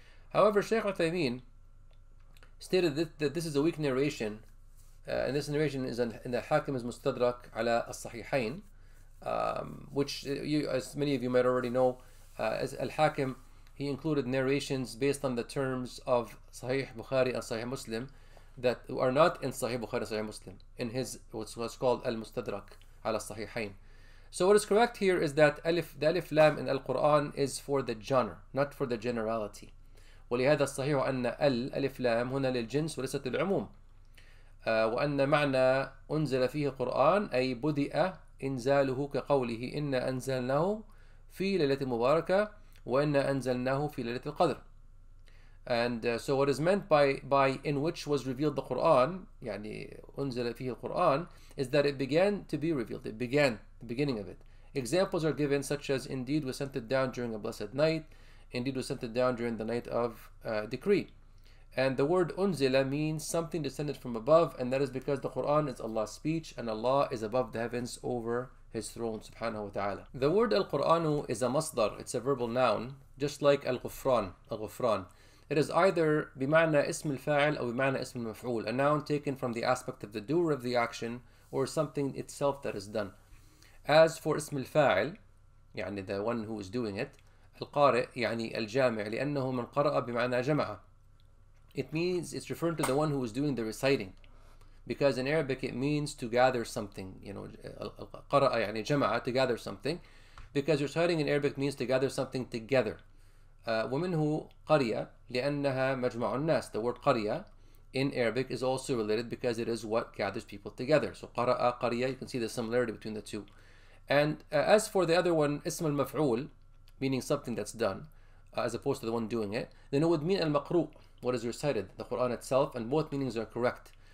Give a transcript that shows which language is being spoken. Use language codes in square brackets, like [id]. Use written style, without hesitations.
[en] However, Shaykh Uthaymīn stated that this is a weak narration, and this narration is in the Hakim's Mustadrak ala al-Sahihain, which you, as many of you might already know, as al-Hakim, he included narrations based on the terms of Sahih Bukhari and Sahih Muslim that are not in Sahih Bukhari and Sahih Muslim, in his what's called al-Mustadrak ala al-Sahihain. So what is correct here is that the alif lam in al-Quran is for the genre, not for the generality. [ar] ولهذا الصحيح أن الألف لام هنا للجنس وليست للعموم وأن معنى أنزل فيه القرآن أي بدأ إنزاله كقوله إن أنزلناه في ليلة مباركة وإن أنزلناه في ليلة القدر. [en] And so what is meant by in which was revealed the Quran, [ar] يعني أنزل فيه القرآن, [en] is that it began to be revealed. It began, the beginning of it. Examples are given such as indeed we sent it down during a blessed night. Indeed, was sent it down during the night of decree. And the word unzila means something descended from above, and that is because the Quran is Allah's speech and Allah is above the heavens over His throne, subhanahu wa ta'ala. The word al-Quranu is a masdar, it's a verbal noun, just like al-ghufran. It is either bima'na ism al-fa'il or bima'na ism al-maf'ul, a noun taken from the aspect of the doer of the action or something itself that is done. As for ism al-fa'il, يعني the one who is doing it, [ar] القارئ يعني الجامع لأنه من قرأ بمعنى جمع. [en] It means it's referring to the one who is doing the reciting, because in Arabic it means to gather something. You know, [ar] القارئ يعني جمع, [en] to gather something, because reciting in Arabic means to gather something together. [ar] ومنه قرية لأنها مجمع الناس. [en] The word قرية in Arabic is also related because it is what gathers people together. So قرأ قرية, you can see the similarity between the two. And as for the other one, اسم المفعول, meaning something that's done, as opposed to the one doing it, then it would mean al-maqru, what is recited, the Quran itself, and both meanings are correct.